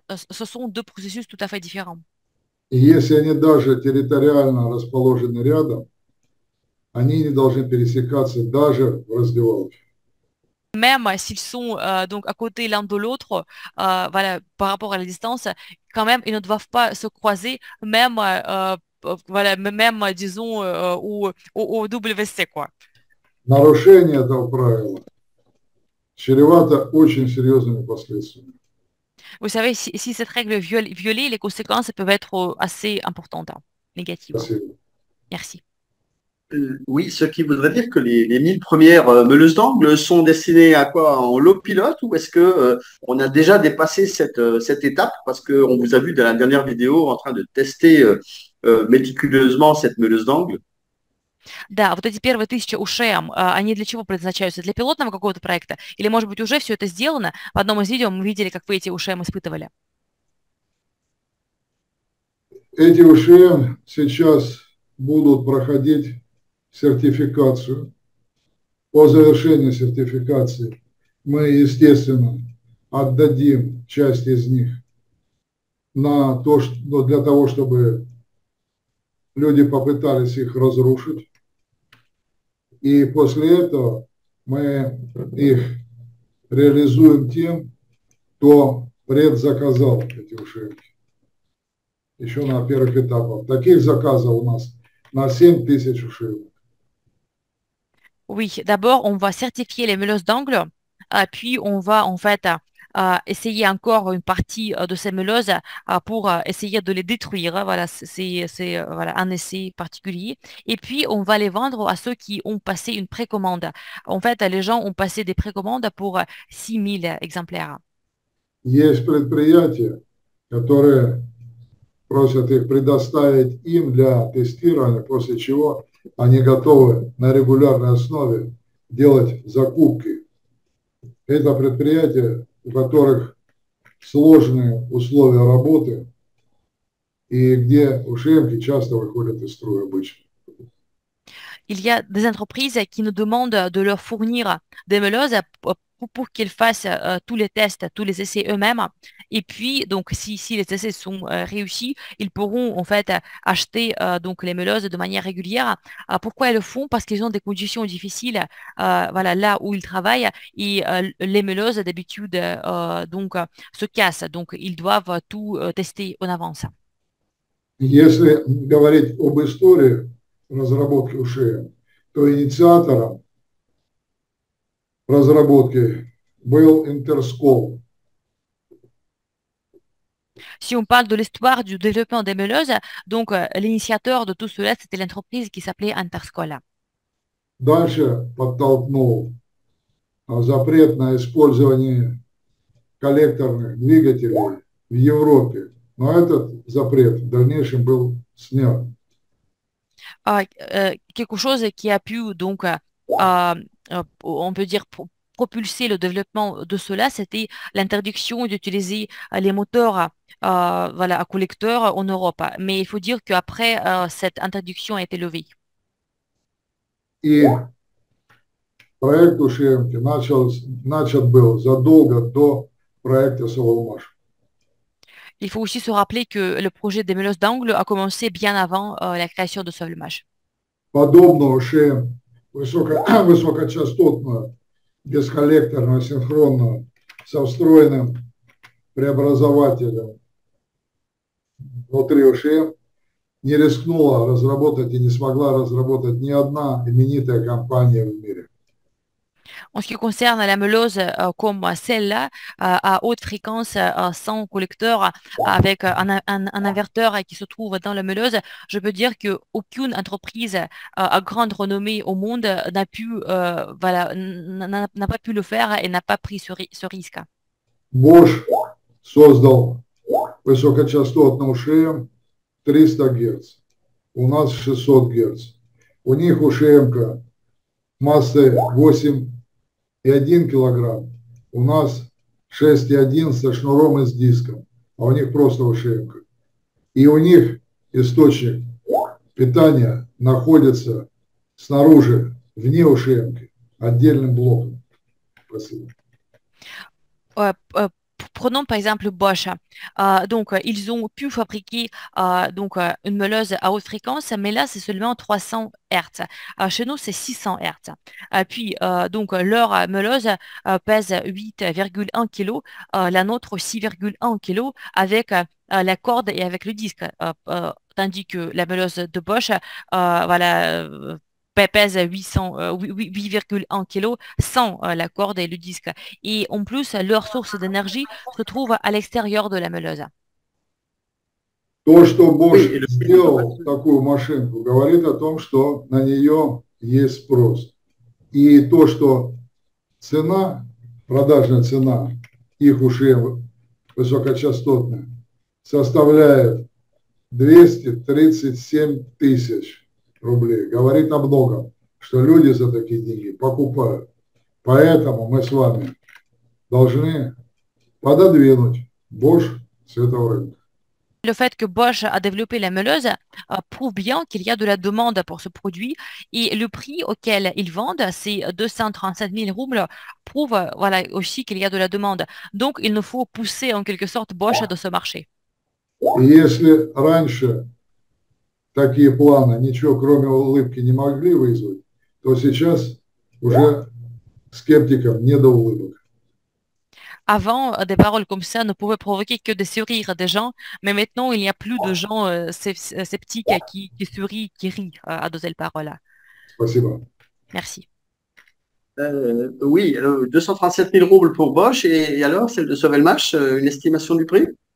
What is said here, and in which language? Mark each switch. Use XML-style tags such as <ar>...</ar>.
<fr>Ce sont deux processus tout à fait différents.</fr> <ru>И если они даже территориально расположены рядом, они не должны пересекаться даже в раздевалке.</ru> <fr>Même s'ils sont donc à côté l'un de l'autre, par rapport à la distance, quand même, ils ne doivent pas se croiser, même, même disons, au WC, quoi.</fr> <ru>Нарушение этого правила чревато очень серьезными последствиями.</ru> <fr>Vous savez, si cette règle est violée, les conséquences peuvent être assez importantes, négatives. Merci. Oui, ce qui voudrait dire que les 1000 premières meuleuses d'angle sont destinées à quoi? En lot pilote ou est-ce que on a déjà dépassé cette étape? Parce qu'on vous a vu dans la dernière vidéo en train de tester méticuleusement cette meuleuse d'angle.</fr> <ru>Да, вот эти первые 1000 УШМ, они для чего предназначаются? Для пилотного какого-то проекта? Или, может быть, уже все это сделано? В одном из видео мы видели, как вы эти УШМ испытывали. Эти УШМ сейчас будут проходить сертификацию. По завершении сертификации мы, естественно, отдадим часть из них на то, что, для того, чтобы люди попытались их разрушить. И после этого мы их реализуем тем, кто предзаказал эти УШМ. Еще на первых этапах. Таких заказов у нас на 7000 ушей.</ru> <fr>Oui, d'abord, on va certifier les meuleuses d'angle, puis on va en fait essayer encore une partie de ces meuleuses pour essayer de les détruire. Voilà, c'est un essai particulier. Et puis, on va les vendre à ceux qui ont passé une précommande. En fait, les gens ont passé des précommandes pour 6 000 exemplaires.</fr> <ru>Есть предприятия, которые просят их предоставить им для тестирования, после чего они готовы на регулярной основе делать закупки. Это предприятия, у которых сложные условия работы и где ушемки часто выходят из строя обычно.</ru> <fr>Il y a des entreprises qui nous demandent de leur fournir des meuleuses pour qu'ils fassent tous les tests, tous les essais eux-mêmes. Et puis, donc, si les essais sont réussis, ils pourront en fait acheter donc les meuleuses de manière régulière. Pourquoi ils le font? Parce qu'ils ont des conditions difficiles là où ils travaillent. Et les meuleuses, d'habitude, se cassent. Donc, ils doivent tout tester en avance.</fr> <ru>Если говорить об истории разработки УШМ, то инициатором разработки был Interscope.</ru> <fr>Si on parle de l'histoire du développement des meuleuses, donc l'initiateur de tout cela, c'était l'entreprise qui s'appelait Interscola.</fr> <ru>Дальше подтолкнул запрет на использование коллекторных двигателей в Европе. Но этот запрет в дальнейшем был снят.</ru> <fr>Quelque chose qui a pu, donc, on peut dire, propulser le développement de cela, c'était l'interdiction d'utiliser les moteurs à collecteur en Europe. Mais il faut dire qu'après, cette interdiction a été levée. Et</fr> <ru>Проект Ушемки начат был задолго до проекта Соломаш.</ru> <fr>Il faut aussi se rappeler que le projet des meuleuses d'angle a commencé bien avant la création de Solmage.</fr> <ru>Подобно ушем высокочастотную, бесколлекторную, синхронную, со встроенным преобразователем внутри ушем не рискнула разработать и не смогла разработать ни одна именитая компания в мире.</ru> <fr>En ce qui concerne la meuleuse comme celle-là, à haute fréquence, sans collecteur, avec un inverteur qui se trouve dans la meuleuse, je peux dire qu'aucune entreprise à grande renommée au monde n'a pu, voilà, n'a pas pu le faire et n'a pas pris ce risque.</fr> <ru>Bosch создал высокочастотным ушем 300 Гц. У нас 600 Гц. У них ушемка массой 8,1 килограмм. У нас 6,1 со шнуром и с диском. А у них просто ушемка. И у них источник питания находится снаружи, вне ушемки, отдельным блоком. Спасибо.</ru> <fr>Prenons par exemple Bosch. Donc, ils ont pu fabriquer donc, une meuleuse à haute fréquence, mais là, c'est seulement 300 Hz. Chez nous, c'est 600 Hz. Puis, donc, leur meuleuse pèse 8,1 kg, la nôtre 6,1 kg avec la corde et avec le disque. Tandis que la meuleuse de Bosch, voilà, pèse 8,1 kg sans la corde et le disque. Et en plus, leur source d'énergie se trouve à l'extérieur de la meuleuse.</fr> <ru>То, что Bosch</ru> <fr>Oui,</fr> <ru>сделал такую машинку, говорит о том, что на нее есть спрос. И то, что цена, продажная цена их ушей высокочастотная, составляет 237 тысяч рублей, говорит о многом, что люди за такие деньги покупают. Поэтому мы с вами должны пододвинуть Bosch с этого рынка.</ru> <fr>Le fait que Bosch a développé la meuleuse prouve bien qu'il y a de la demande pour ce produit et le prix auquel ils vendent, ces 237 000 roubles, prouve voilà, aussi qu'il y a de la demande. Donc, il nous faut pousser en quelque sorte Bosch de ce marché.</fr> <ru>Если раньше такие планы ничего кроме улыбки не могли вызвать, то сейчас уже скептикам не до улыбок.</ru> <fr>Avant, des paroles comme ça ne pouvaient provoquer que des sourires des gens, mais maintenant, il n'y a plus de gens sceptiques qui sourient, qui rient à de telles paroles.</fr> <ru>Спасибо.</ru> <fr>Merci. Oui, 237 000 roubles pour Bosch et alors celle de Sauvelmash, une estimation du prix?</fr>